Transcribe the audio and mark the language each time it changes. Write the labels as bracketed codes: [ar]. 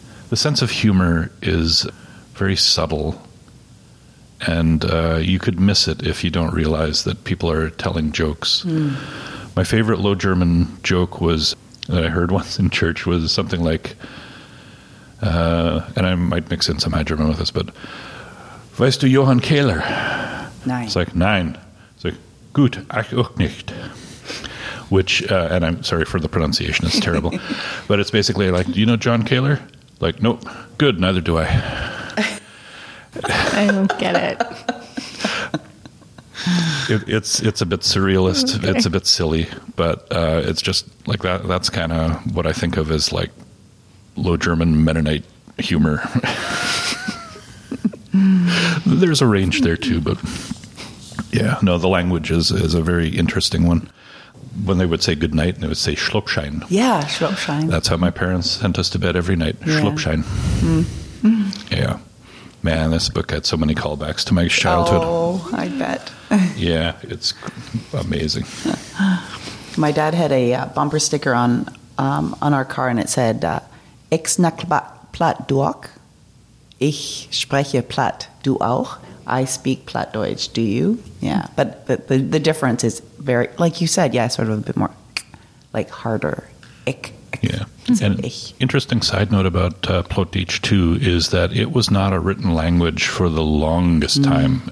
[en] The sense of humor is very subtle and you could miss it if you don't realize that people are telling jokes. Mm. My favorite Low German joke was, that I heard once in church was something like, and I might mix in some High German with this, but, [de] Weißt du Johann Kehler? Nein. [en] It's like, nein. It's like, [de] gut, ach auch nicht. [en] Which, and I'm sorry for the pronunciation, it's terrible. But it's basically like, do you know John Kehler? Like, nope, good, neither do I. I don't get it. It's a bit surrealist. Okay. It's a bit silly, but it's just like that. That's kind of what I think of as like Low German Mennonite humor. There's a range there too, but yeah, no, the language is a very interesting one. When they would say goodnight, they would say Schluckschein. Yeah, Schluckschein. That's how my parents sent us to bed every night. Yeah. Schluckschein. Mm-hmm. Yeah. Man, this book had so many callbacks to my childhood. Oh, I bet. Yeah, it's amazing. [nds] My dad had a bumper sticker on our car, and it said, Ich snack platt duok. [de] Ich spreche platt du auch. [en] I speak Plattdeutsch, do you? Yeah, but the difference is very, like you said, sort of a bit more, like harder. Ich. Yeah. And interesting side note about Plötzensee 2 is that it was not a written language for the longest time.